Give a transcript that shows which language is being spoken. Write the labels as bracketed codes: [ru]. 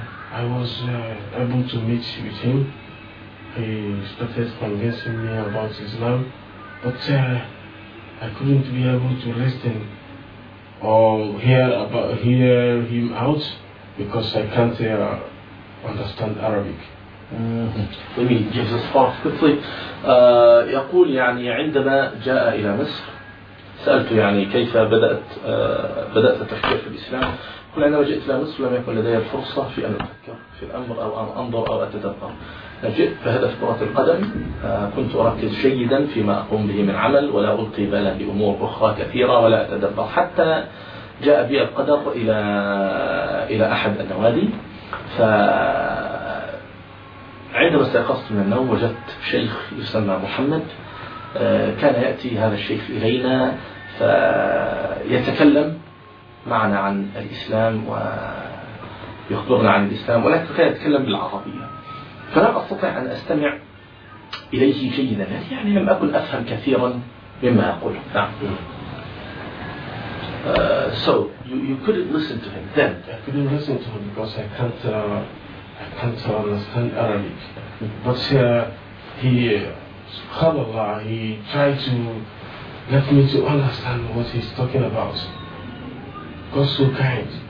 [en] I was able to meet with him. He started convincing me about Islam, but I couldn't be able to listen or hear him out because I can't understand Arabic. جميل، gives us part quickly. [ar] يقول يعني عندما جاء إلى مصر سألت يعني كيف بدأت التفكير في الإسلام. قل عندما جئت إلى مصر لم يكن لدي الفرصة في أن أفكر في الأمر أو أن أنظر أو أتدبر. جئت بهدف كرة القدم، كنت أركز جيدا فيما أقوم به من عمل ولا ألقي بالا بأمور أخرى كثيرة ولا أتدبر، حتى جاء بي القدر إلى أحد النوادي. فعندما استيقظت من النوم وجدت شيخ يسمى محمد، كان يأتي هذا الشيخ إلينا فيتكلم معنا عن الإسلام ويخبرنا عن الإسلام، ولكن كان يتكلم بالعربية فلم أستطع أن أستمع إليه جيدا، يعني لم أكن أفهم كثيرا مما يقول. نعم. [en] So you couldn't listen to him then. I couldn't listen to him because I can't understand Arabic. But he, subhanAllah, he tried to let me to understand what he's talking about. God's so kind.